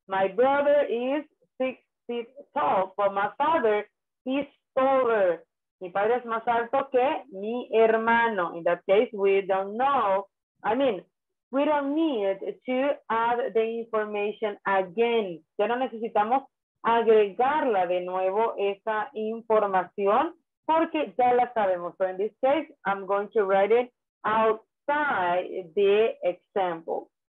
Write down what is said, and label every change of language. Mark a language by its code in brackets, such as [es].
[en] My brother is 6 feet tall, but my father is taller. [es] Mi padre es más alto que mi hermano. [en] In that case, we don't know. I mean, we don't need to add the information again. [es] Ya no necesitamos agregarla de nuevo esa información porque ya la sabemos. [en] So in this case, I'm going to write it outside the example.